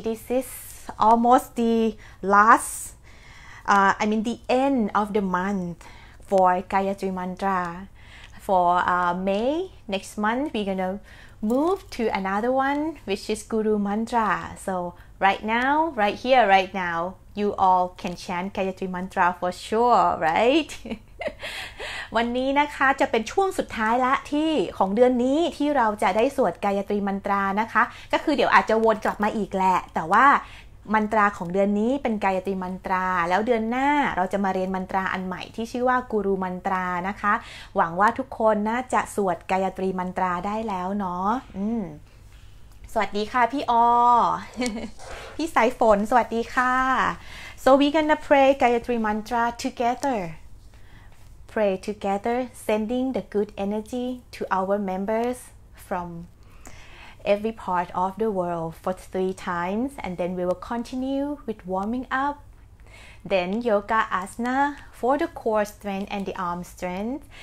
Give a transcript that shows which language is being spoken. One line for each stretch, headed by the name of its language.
English: This is almost the last the end of the month for Gayatri mantra. For May next month we're gonna move to another one which is Guru mantra. So right now, right here, right now. You all can chant Gayatri Mantra for sure, right?
Thai: วันนี้นะคะจะเป็นช่วงสุดท้ายละที่ของเดือนนี้ที่เราจะได้สวดGayatri Mantraนะคะก็คือเดี๋ยวอาจจะวนกลับมาอีกแหละแต่ว่ามันตราของเดือนนี้เป็นGayatri Mantraแล้วเดือนหน้าเราจะมาเรียนมันตราอันใหม่ที่ชื่อว่ากูรูมันตรานะคะหวังว่าทุกคนน่าจะสวดGayatri Mantraได้แล้วเนาะสวัสดีค่ะพี่อ้อพี่สายฝนสวัสดีค่ะ
English: So we gonna pray Gayatri Mantra together. Pray together, sending the good energy to our members from every part of the world for 3 times, and then we will continue with warming up. Then yoga asana for the core strength and the arm strength.